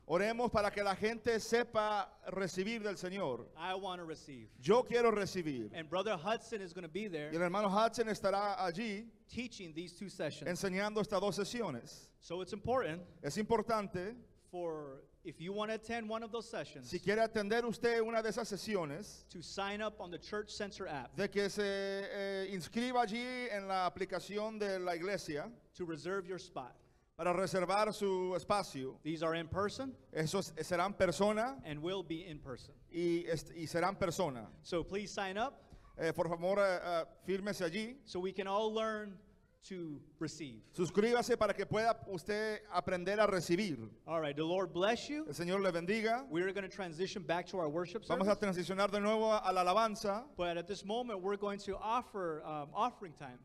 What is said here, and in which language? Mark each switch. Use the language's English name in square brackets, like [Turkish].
[Spanish] Oremos para que la gente sepa recibir del Señor. [English] I want to receive. [Spanish] Yo quiero recibir. [English] And Brother Hudson is going to be there. [Spanish] Y el hermano Hudson estará allí. [English] Teaching these two sessions. [Spanish] Enseñando estas dos sesiones. [English] So it's important. [Spanish] Es importante. [English] For if you want to attend one of those sessions, [Spanish] si quiere atender usted una de esas sesiones, [English] to sign up on the Church Center app, [Spanish] de que se inscriba allí en la aplicación de la iglesia, [English] to reserve your spot, [Spanish] para reservar su espacio, [English] these are in person, [Spanish] esos serán persona, [English] and will be in person, [Spanish] y serán persona. [English] So please sign up, [Spanish] por favor fírmese allí, [English] so we can all learn. To receive. [Spanish] Suscríbase para que pueda usted aprender a recibir. [English] All right, the Lord bless you. [Spanish] El Señor le bendiga. [English] We are going to transition back to our worship service. [Spanish] Vamos a transicionar de nuevo a la alabanza. [English] But at this moment, we're going to offer offering time.